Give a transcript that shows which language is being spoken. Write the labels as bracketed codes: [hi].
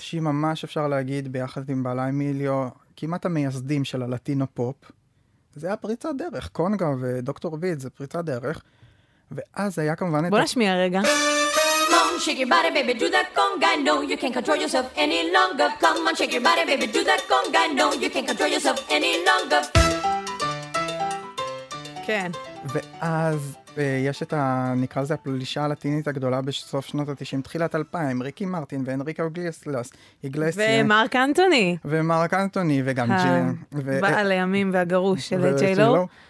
[he] שהיא ממש אפשר להגיד ביחד עם בעלה אמיליו, כמעט המייסדים של הלטינו פופ, זה היה פריצה דרך, קונגה ודוקטור ביד, זה פריצה דרך, ואז היה כמובן בוא נשמיע רגע. [en] Shake your body, baby, do that conga. No, you can't control yourself any longer. Come on, shake your body, baby, do that conga. No, you can't control yourself any longer. [he] כן. ואז יש את נקרא לזה הפלישה הלטינית הגדולה בסוף שנות ה-90, תחילת 2000, ריקי מרטין ואנריקו גליסלס, ומרק אנטוני. ומרק אנטוני, וגם ג'ן. בעל הימים והגרוש של ג'יילו.